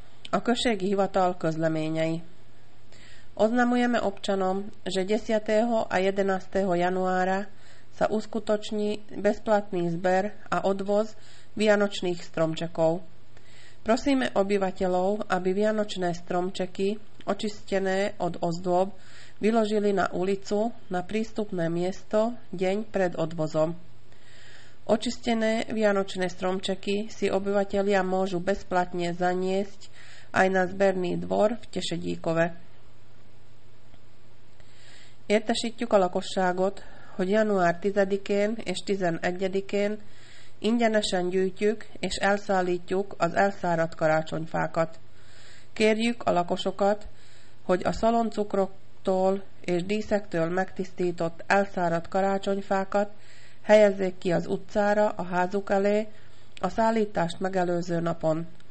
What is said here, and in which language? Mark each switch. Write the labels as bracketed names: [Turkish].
[Hungarian] A községi hivatal közleményei. [Slovak] Oznamujeme občanom, že 10. a 11. januára sa uskutoční bezplatný zber a odvoz vianočných stromčekov. Prosíme obyvateľov, aby vianočné stromčeky, očistené od ozdôb, vyložili na ulicu, na prístupné miesto, deň pred odvozom. Očistené vianočné stromčeky si obyvateľia môžu bezplatne zaniesť aj na zberný dvor v Tešedíkove. [Hungarian] Értesítjük a lakosságot, hogy január 10-én és 11-én ingyenesen gyűjtjük és elszállítjuk az elszáradt karácsonyfákat. Kérjük a lakosokat, hogy a szaloncukroktól és díszektől megtisztított elszáradt karácsonyfákat helyezzék ki az utcára, a házuk elé, a szállítást megelőző napon.